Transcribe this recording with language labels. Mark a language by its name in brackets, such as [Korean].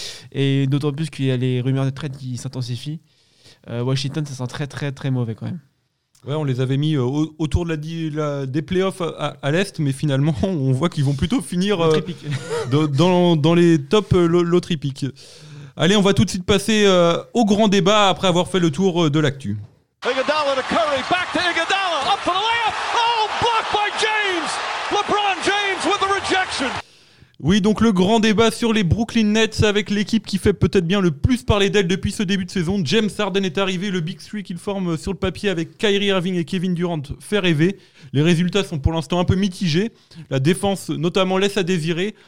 [French] Et d'autant plus qu'il y a les rumeurs de trade qui s'intensifient. Washington, ça sent très, très, très mauvais, quand même. Ouais, on les avait mis autour de des playoffs à l'Est, mais finalement, on voit qu'ils vont plutôt finir dans les [English] top lottery picks. [French] Allez, on va tout de suite passer au grand débat après avoir fait le tour de l'actu. [English] Iguodala to Curry, back to Iguodala, up for the layup. Oh, blocked by James. LeBron James with the rejection. [French] Oui, donc le grand débat sur les Brooklyn Nets avec l'équipe qui fait peut-être bien le plus parler d'elle depuis ce début de saison. James Harden est arrivé, le Big Three qu'il forme sur le papier avec Kyrie Irving et Kevin Durant fait rêver. Les résultats sont pour l'instant un peu mitigés. La défense notamment laisse à désirer.